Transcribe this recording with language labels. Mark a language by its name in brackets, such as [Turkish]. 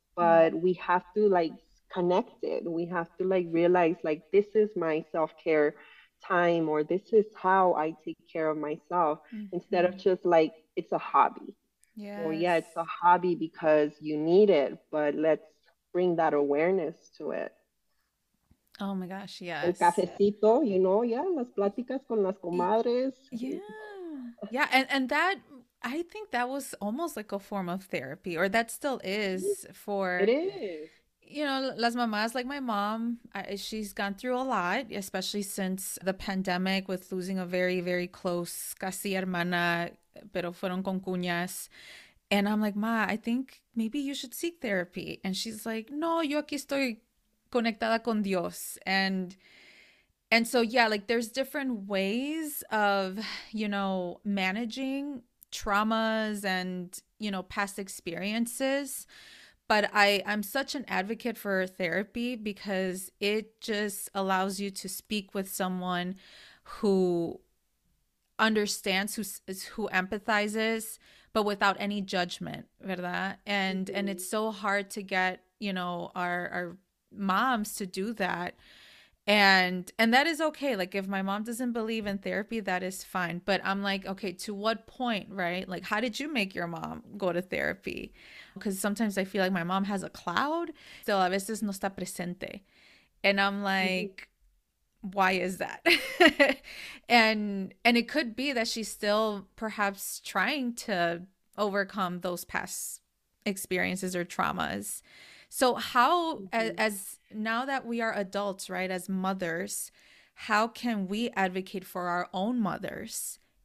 [English] But we have to like connect it. We have to like realize like this is my self-care time, or this is how I take care of myself, instead of just like it's a hobby. It's a hobby because you need it, but let's bring that awareness to it. Oh my gosh, yes. [Spanish] El cafecito, [English] you know, yeah, [Spanish] las pláticas con las comadres. [English] Yeah, and that, I think that was almost like a form of therapy, or that still is for... It is. You know, las mamás, like my mom, she's gone through a lot, especially since the pandemic, with losing a very, very close, [Spanish] casi hermana, pero fueron concuñas. [English] And I'm like, ma, I think maybe you should seek therapy. And she's like, [Spanish] no, yo aquí estoy conectada con Dios. [English] And so, yeah, like there's different ways of, you know, managing traumas and, you know, past experiences. But I'm such an advocate for therapy, because it just allows you to speak with someone who understands, who empathizes, but without any judgment, ¿verdad? And and it's so hard to get, you know, our moms to do that. And that is okay. Like if my mom doesn't believe in therapy, that is fine. But I'm like, okay, to what point, right? Like, how did you make your mom go to therapy? Because sometimes I feel like my mom has a cloud. [Spanish] So a veces no está presente. [English] And I'm like, why is that? And it could be that she's still perhaps trying to overcome those past experiences or traumas. So how, as now that we are adults, right, as mothers, how can we advocate for our own mothers?